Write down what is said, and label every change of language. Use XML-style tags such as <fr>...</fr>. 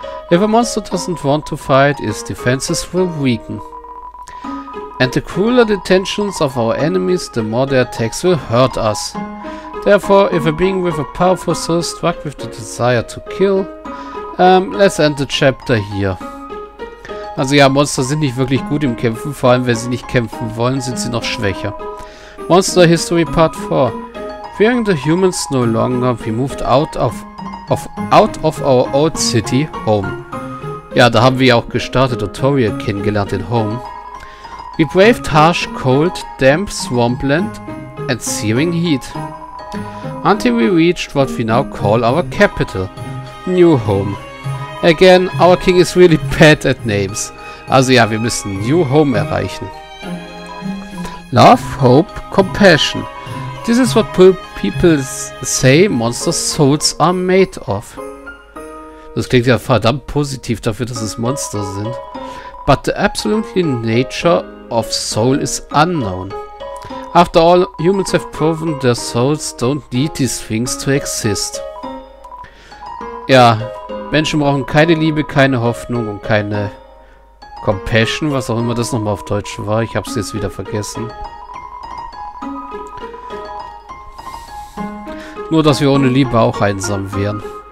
<en>If a monster doesn't want to fight, its defenses will weaken. And the cooler the tensions of our enemies, the more their attacks will hurt us. Therefore, if a being with a powerful soul struck with the desire to kill, let's end the chapter here.</en> <de>Also ja, Monster sind nicht wirklich gut im Kämpfen, vor allem wenn sie nicht kämpfen wollen, sind sie noch schwächer.</de> <en>Monster History Part 4. Fearing the humans no longer, we moved out of our old city, home.</en> <de>Ja, da haben wir ja auch gestartet und Toria kennengelernt in Home.</de> <en>We braved harsh, cold, damp swampland and searing heat. Until we reached what we now call our capital, New Home. Again, our king is really bad at names.</en> <de>Also ja, wir müssen New Home erreichen.</de> <en>Love, hope, compassion. This is what people say monster souls are made of.</en> <de>Das klingt ja verdammt positiv dafür, dass es Monster sind.</de> <en>But the absolute nature of soul is unknown. After all, humans have proven their souls don't need these things to exist.</en> <de>Ja, Menschen brauchen keine Liebe, keine Hoffnung und keine Compassion, was auch immer das nochmal auf Deutsch war. Ich hab's jetzt wieder vergessen. Nur, dass wir ohne Liebe auch einsam wären.</de>